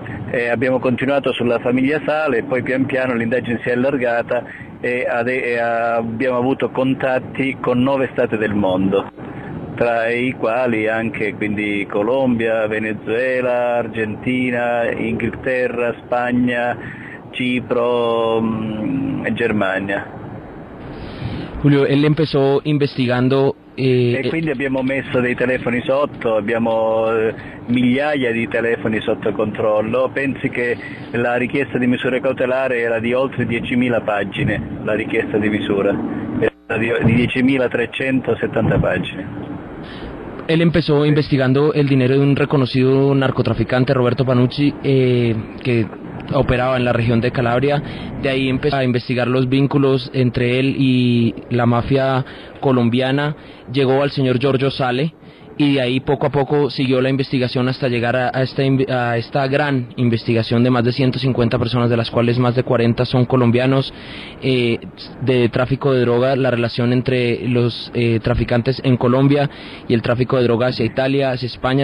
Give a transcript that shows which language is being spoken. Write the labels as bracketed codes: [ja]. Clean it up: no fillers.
[it] e abbiamo continuato sulla famiglia Sale, e poi pian piano l'indagine si è allargata e abbiamo avuto contatti con 9 stati del mondo, tra i quali anche quindi Colombia, Venezuela, Argentina, Inghilterra, Spagna, Cipro e Germania. [es] Julio, él empezó investigando [it] Quindi abbiamo messo dei telefoni sotto, abbiamo migliaia di telefoni sotto controllo. Pensi che la richiesta di misure cautelare era di oltre 10.000 pagine, la richiesta di misura, era di 10.370 pagine. [es] Él empezó investigando el dinero de un reconocido narcotraficante, Roberto Panucci, que operaba en la región de Calabria. De ahí empezó a investigar los vínculos entre él y la mafia colombiana. Llegó al señor Giorgio Sale y de ahí poco a poco siguió la investigación hasta llegar a esta gran investigación de más de 150 personas, de las cuales más de 40 son colombianos, de tráfico de droga, la relación entre los traficantes en Colombia y el tráfico de droga hacia Italia, hacia España.